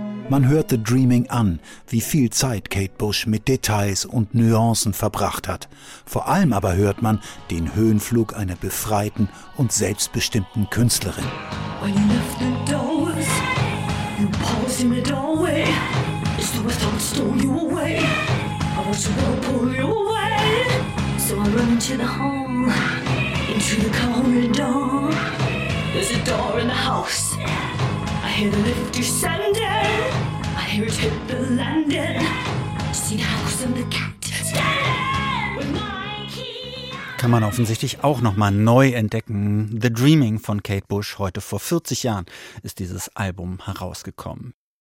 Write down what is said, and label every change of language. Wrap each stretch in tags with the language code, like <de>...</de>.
<de>Man hört The Dreaming an, wie viel Zeit Kate Bush mit Details und Nuancen verbracht hat. Vor allem aber hört man den Höhenflug einer befreiten und selbstbestimmten Künstlerin.</de> <en>When you left the doors, you paused in the doorway. It's the way thoughts stole you away. I watched the world pull you away. So I run into the hall, into the corridor. There's a door in the house. I hear the lift descending, I hear it hit the landing, see the house and the cat standing with my...</en> <de>Kann man offensichtlich auch nochmal neu entdecken. The Dreaming von Kate Bush. Heute vor 40 Jahren ist dieses Album herausgekommen.</de>